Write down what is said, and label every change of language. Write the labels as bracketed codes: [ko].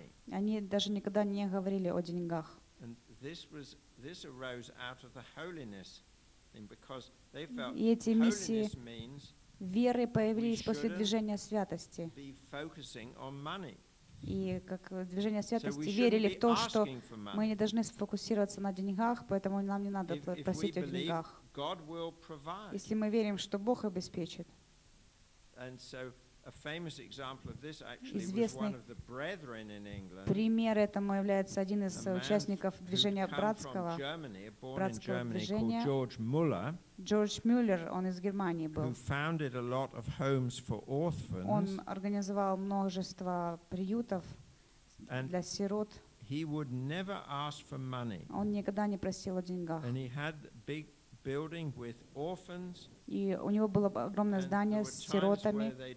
[ru] Они даже никогда не говорили о деньгах. [en] This arose out of the holiness thing because they felt holiness means [ru] веры появились после движения святости. [en] Be focusing on money. [ru] И как движение святости верили в то, что мы не должны сфокусироваться на деньгах, поэтому нам не надо просить о деньгах. Если мы верим, что Бог обеспечит. [en] And so a famous example of this actually was one of the brethren in England. [ru] Пример этому является один из участников движения братского, братского движения. [en] George Müller. [ru] George Müller, он из Германии был. [en] Who founded a lot of homes for orphans. [ru] Он организовал множество приютов для сирот. [en] He would never ask for money. [ru] Он никогда не просил о деньгах. [en] And he had big building with orphans. [ru] И у него было огромное здание с сиротами.